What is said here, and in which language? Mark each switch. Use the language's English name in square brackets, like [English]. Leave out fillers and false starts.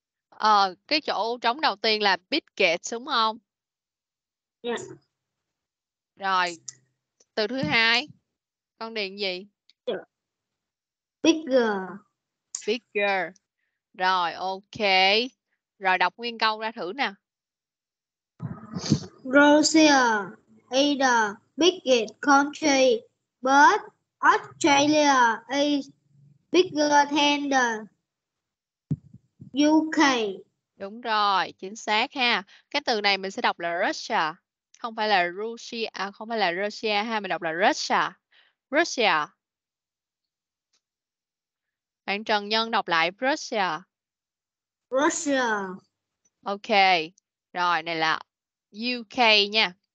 [Vietnamese] Ờ, cái chỗ trống đầu tiên là biggest đúng không? Yeah. Rồi, từ thứ hai con điền gì? [English] Bigger. [Vietnamese] Rồi, ok. Rồi, đọc nguyên câu ra thử nè. [English] Russia is the biggest country, but Australia is bigger than the UK. [Vietnamese] Đúng rồi, chính xác ha. Cái từ này mình sẽ đọc là Russia, không phải là Russia, không phải là Russia ha, mình đọc là Russia. Bạn Trần Nhân đọc lại Russia. Ok, rồi này là UK nha.